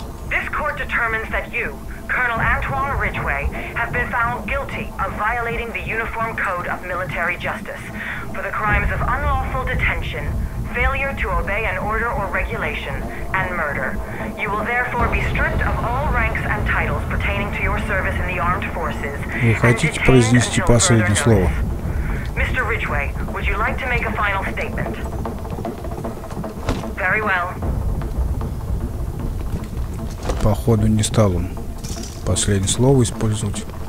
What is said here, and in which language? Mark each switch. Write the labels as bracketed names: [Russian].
[English] This court determines that you, Colonel Antoine Ridgway, have been found guilty of violating the Uniform Code of Military Justice for the crimes of unlawful detention, failure to obey an order or regulation, and murder. You will therefore be stripped of all ranks and titles pertaining to your service in the armed forces. [Russian] Вы хотите произнести последнее слово? [English] Mr. Ridgway, would you like to make a final statement? Very well. [Russian] Походу не стал он последнее слово использовать.